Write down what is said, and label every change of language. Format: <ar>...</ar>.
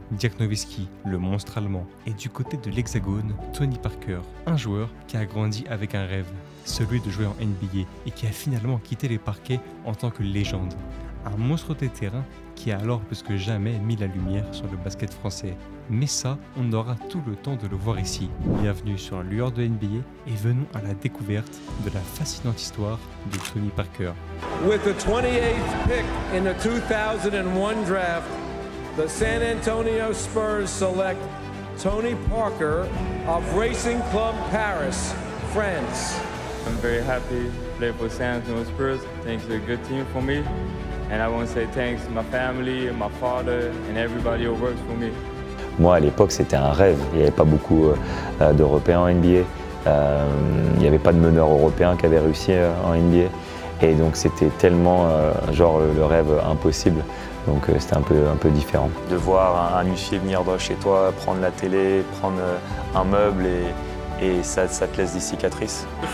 <fr>Dirk Nowitzki, le monstre allemand. Et du côté de l'Hexagone, Tony Parker, un joueur qui a grandi avec un rêve, celui de jouer en NBA et qui a finalement quitté les parquets en tant que légende. Un monstre des terrains qui a alors plus que jamais mis la lumière sur le basket français. Mais ça, on aura tout le temps de le voir ici. Bienvenue sur Lueur de NBA et venons à la découverte de la fascinante histoire de Tony Parker.</fr> <en>With the 28th pick in the 2001 draft, the San Antonio Spurs select Tony Parker of Racing Club Paris, France. I'm very happy to play for San Antonio Spurs. Thanks for a good team for me. And I want to say thanks to my family, my father and everybody who works for me.</en> <fr>Moi, à l'époque, c'était un rêve. Il n'y avait pas beaucoup d'Européens en NBA. Il n'y avait pas de meneur européen qui avait réussi en NBA. Et donc, c'était tellement le rêve impossible. Donc, c'était un peu différent. De voir un huissier venir de chez toi, prendre la télé, prendre un meuble et ça te laisse des cicatrices.</fr>